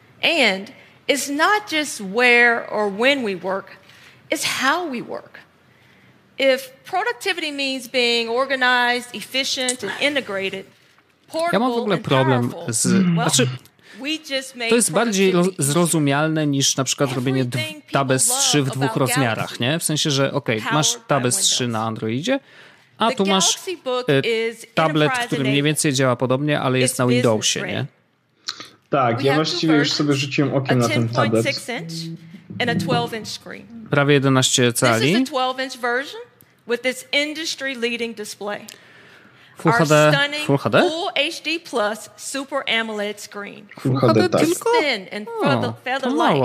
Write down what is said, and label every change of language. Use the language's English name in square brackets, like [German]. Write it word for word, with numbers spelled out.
[English] And it's not just where or when we work, it's how we work. If productivity means being organized, efficient and integrated, [Polish] ja mam w ogóle problem z... Mm. Znaczy, to jest bardziej lo- zrozumialne niż na przykład robienie d- Tab S trzy w dwóch rozmiarach, nie? W sensie, że okej, okay, masz Tab S trzy na Androidzie, a tu masz e, tablet, który mniej więcej działa podobnie, ale jest na Windowsie, nie? Tak, ja właściwie już sobie rzuciłem okiem na ten tablet. [English] And a twelve inch screen. [Polish] Prawie jedenaście cali. [English] This is the twelve inch version with this industry-leading display. Full H D, Full H D? Full H D plus Super AMOLED screen. [Polish] Full H D, tak. [English] Thin and oh, feather light.